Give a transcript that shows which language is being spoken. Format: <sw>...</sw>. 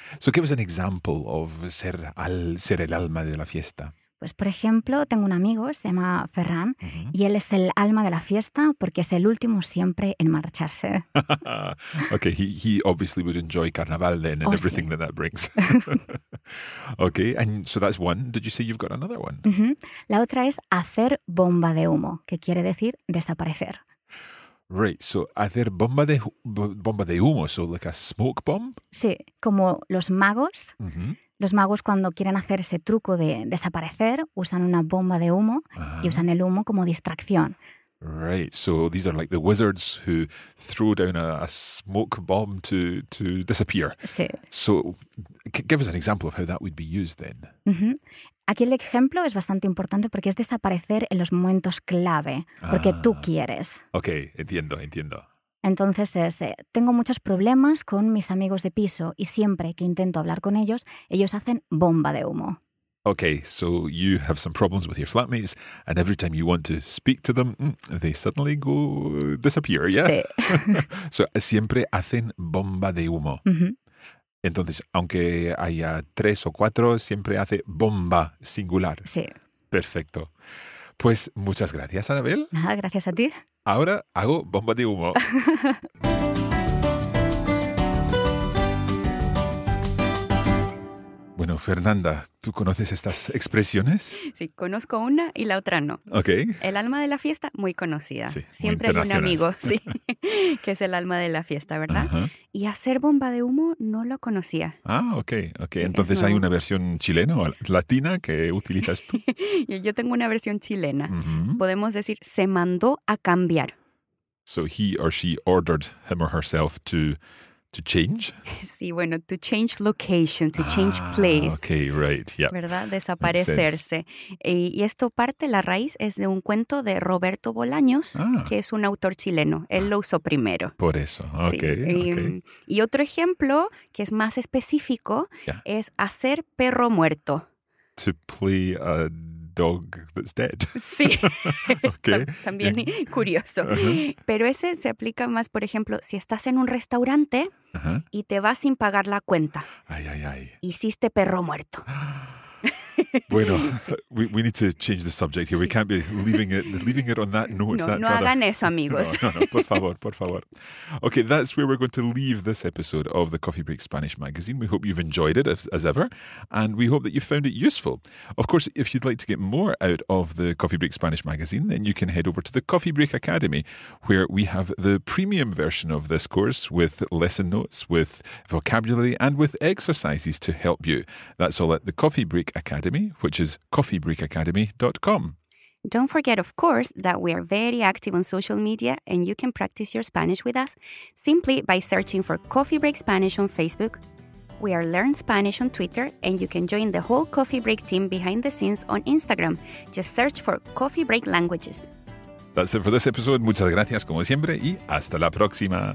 <en>So give us an example of</en> <es>ser el alma de la fiesta. Pues, por ejemplo, tengo un amigo, se llama Ferran, uh-huh. Y él es el alma de la fiesta porque es el último siempre en marcharse.</es> <en>Okay, he obviously would enjoy carnaval then and everything that brings. Okay, and so that's one. Did you say you've got another one? Uh-huh.</en> <es>La otra es hacer bomba de humo, que quiere decir desaparecer.</es> <en>Right, so</en> <es>hacer bomba de humo,</es> <en>so like a smoke bomb?</en> <es>Sí, como los magos. Uh-huh. Los magos cuando quieren hacer ese truco de desaparecer usan una bomba de humo y usan el humo como distracción.</es> <en>Right, so these are like the wizards who throw down a smoke bomb to disappear.</en> <es>Sí.</es> <en>So give us an example of how that would be used then. Uh-huh.</en> <es>Aquí el ejemplo es bastante importante porque es desaparecer en los momentos clave, porque tú quieres. Okay, entiendo. Entonces es, tengo muchos problemas con mis amigos de piso y siempre que intento hablar con ellos, ellos hacen bomba de humo.</es> <en>Okay, so you have some problems with your flatmates and every time you want to speak to them, they suddenly go disappear, yeah?</en> <es>Sí. So siempre hacen bomba de humo. Uh-huh. Entonces, aunque haya tres o cuatro, siempre hace bomba singular. Sí. Perfecto. Pues muchas gracias, Anabel. Nada, gracias a ti. Ahora hago bomba de humo. Bueno, Fernanda, ¿tú conoces estas expresiones? Sí, conozco una y la otra no. Ok. El alma de la fiesta, muy conocida. Sí, siempre muy hay un amigo, sí, que es el alma de la fiesta, ¿verdad? Uh-huh. Y hacer bomba de humo no lo conocía. Ah, ok. Sí, entonces hay una versión chilena o latina que utilizas tú. Yo tengo una versión chilena. Uh-huh. Podemos decir, se mandó a cambiar.</es> <en>So he or she ordered him or herself to change?</en> <es>Sí, bueno,</es> <en>to change location, to change place. Okay, right, yeah.</en> <es>¿Verdad? Desaparecerse. Y esto parte, la raíz, es de un cuento de Roberto Bolaños, que es un autor chileno. Él lo usó primero. Por eso, okay. Sí. Y otro ejemplo, que es más específico, es hacer perro muerto.</es> <en>To play a dog that's dead.</en> <es>Sí. Okay. También curioso. Uh-huh. Pero ese se aplica más, por ejemplo, si estás en un restaurante y te vas sin pagar la cuenta. Ay, ay, ay. Hiciste perro muerto. Bueno, sí.</es> <en>We need to change the subject here. Sí. We can't be leaving it on that note.</en> <es>No, hagan eso, amigos. No, por favor.</es> <en>Okay, that's where we're going to leave this episode of the Coffee Break Spanish Magazine. We hope you've enjoyed it, as ever, and we hope that you found it useful. Of course, if you'd like to get more out of the Coffee Break Spanish Magazine, then you can head over to the Coffee Break Academy, where we have the premium version of this course with lesson notes, with vocabulary, and with exercises to help you. That's all at the Coffee Break Academy, which is coffeebreakacademy.com. Don't forget, of course, that we are very active on social media and you can practice your Spanish with us simply by searching for Coffee Break Spanish on Facebook. We are Learn Spanish on Twitter and you can join the whole Coffee Break team behind the scenes on Instagram. Just search for Coffee Break Languages. That's it for this episode.</en> <es>Muchas gracias, como siempre, y hasta la próxima.</es>